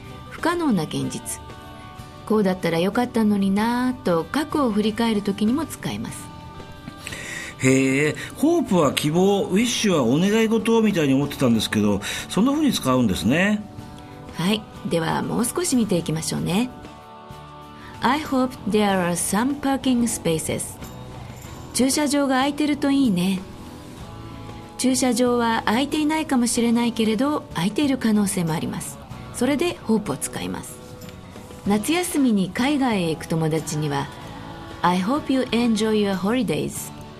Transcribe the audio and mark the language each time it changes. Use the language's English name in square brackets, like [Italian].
[Japanese] 不可能な現実。こうだったらよかったのになと、過去を振り返るときにも使えます。へえ、ホープは希望、ウィッシュはお願い事みたいに思ってたんですけど、そんな風に使うんですね。はい、ではもう少し見ていきましょうね。 [English] I hope there are some parking spaces. [Japanese] 駐車場が空いてるといいね。駐車場は空いていないかもしれないけれど、空いている可能性もあります。それで Hope を使います。夏休みに海外へ行く友達には、 [English] I hope you enjoy your holidays.